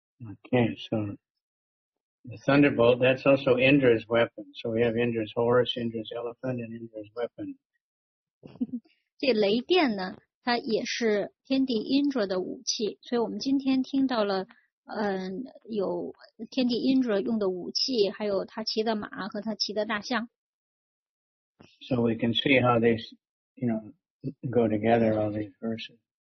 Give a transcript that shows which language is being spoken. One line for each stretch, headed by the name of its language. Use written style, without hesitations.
English: Okay, so the thunderbolt, that's also Indra's weapon. So we have Indra's horse, Indra's elephant, and Indra's weapon.
Chinese: 这雷电呢, 它也是天帝Indra的武器, 所以我们今天听到了, 有天帝Indra用的武器, 还有他骑的马和他骑的大象。
English: So we can see how they, you know, go together, all these verses.